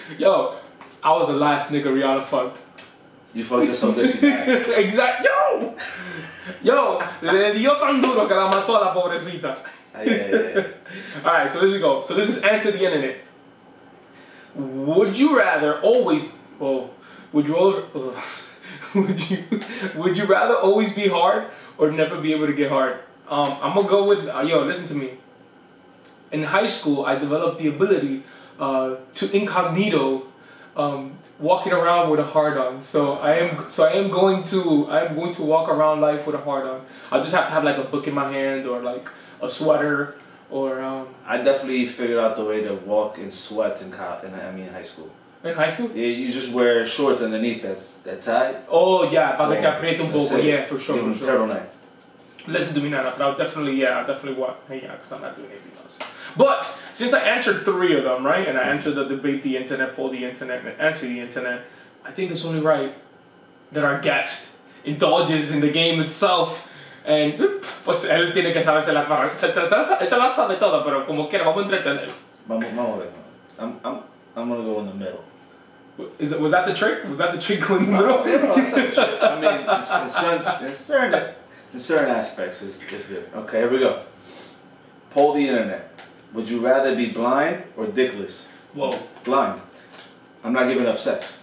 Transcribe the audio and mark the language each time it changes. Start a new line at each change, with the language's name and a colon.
English: Yo, I was the last nigga Rihanna fucked. You fucked her so good she died. Exactly. Yo!
Spanish: Yo, le dio tan duro que la mató a la pobrecita.
English: Yeah. Alright, so here we go. So this is Answer the Internet. Would you rather always be hard or never be able to get hard? I'm gonna go with. Listen to me. In high school, I developed the ability to incognito walking around with a hard on. So I am going to walk around life with a hard on. I just have to have like a book in my hand or like a sweater or. I definitely figured out the way to walk in sweats in high school. In high school? Yeah, you just wear shorts underneath that tie. Oh yeah,
Spanish: para que apriete un poco.
English: Yeah, for sure. Even for sure. Turtleneck. Listen to me, Nana. I'll definitely walk. Hey, yeah, because I'm not doing anything else. But since I answered three of them, right, and I entered the debate, the internet, pull the internet, and answer the internet, I think it's only right that our guest indulges in the game itself.
Spanish: And, pues, él tiene que saberse la parada. Él se la sabe todo, pero como quiera, vamos a entretener. Vamos a ver.
English: I'm gonna go in the middle. Was that the trick? Was that the trick going in the middle? No, it's not the trick. I mean, in certain aspects, it's good. Okay, here we go. Poll the internet. Would you rather be blind or dickless? Whoa. Blind. I'm not giving up sex.